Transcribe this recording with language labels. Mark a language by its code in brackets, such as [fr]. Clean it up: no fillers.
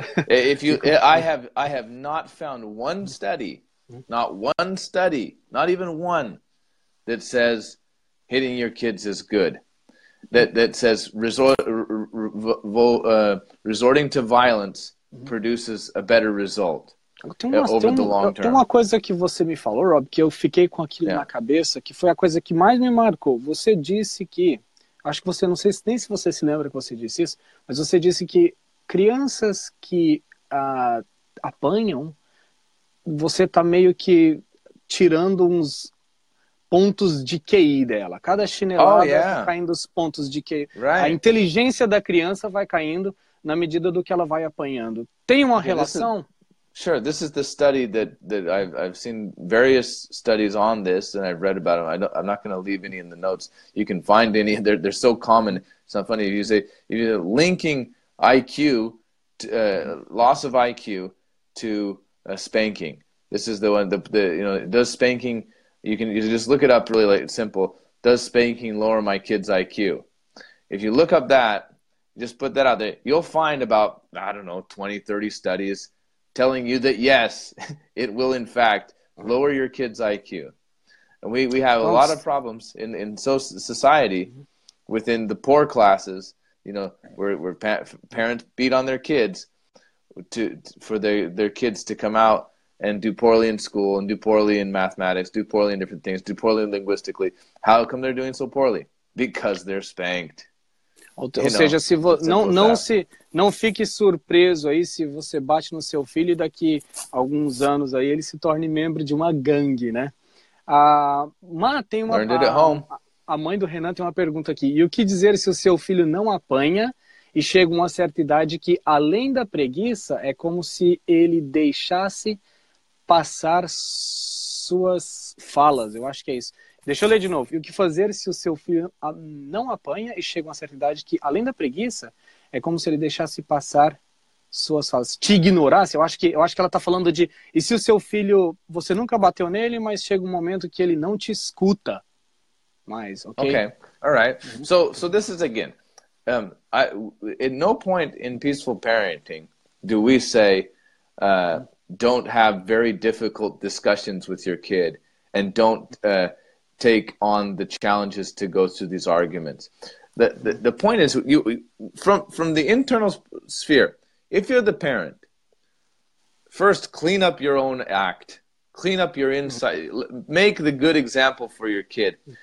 [en] I have not found one study, not one study, not even one, that says hitting your kids is good. That says resorting to violence produces a better result over the long term. [pt] Tem uma coisa que você me falou, Rob, que eu fiquei com aquilo na cabeça, que foi a coisa que mais me marcou. Você disse que, acho que você, não sei nem se você se lembra que você disse isso, mas você disse que crianças que apanham, você tá meio que tirando uns pontos de QI dela. Cada chinelada vai caindo os pontos de QI. Right. A inteligência da criança vai caindo na medida do que ela vai apanhando. Tem uma relação? [en] This is the study that I've seen various studies on this and I've read about them. I'm not going to leave any in the notes. You can find any. They're so common. It's not funny. If you say linking IQ, loss of IQ to spanking. This is the one, the you know, does spanking... You can just look it up really simple. Does spanking lower my kid's IQ? If you look up that, just put that out there, you'll find about, I don't know, 20, 30 studies telling you that, yes, it will, in fact, lower your kid's IQ. And we have a lot of problems in society within the poor classes you know, where parents beat on their kids for their kids to come out and do poorly in school and do poorly in mathematics, do poorly in different things, do poorly linguistically. How come they're doing so poorly? Because they're spanked. [pt] Ou seja, se não fique surpreso aí se você bate no seu filho e daqui alguns anos aí ele se torne membro de uma gangue, né? A mãe do Renan tem uma pergunta aqui. E o que dizer se o seu filho não apanha e chega a uma certa idade que, além da preguiça, é como se ele deixasse passar suas falas? Eu acho que é isso. Deixa eu ler de novo. E o que fazer se o seu filho não apanha e chega a uma certa idade que, além da preguiça, é como se ele deixasse passar suas falas? Te ignorasse? Eu acho que ela está falando de... E se o seu filho... Você nunca bateu nele, mas chega um momento que ele não te escuta mais, ok? [en] Okay, all right. So this is again. At no point in peaceful parenting do we say, don't have very difficult discussions with your kid and don't... take on the challenges to go through these arguments. The point is, you from the internal sphere, if you're the parent, first clean up your own act, clean up your inside, make the good example for your kid.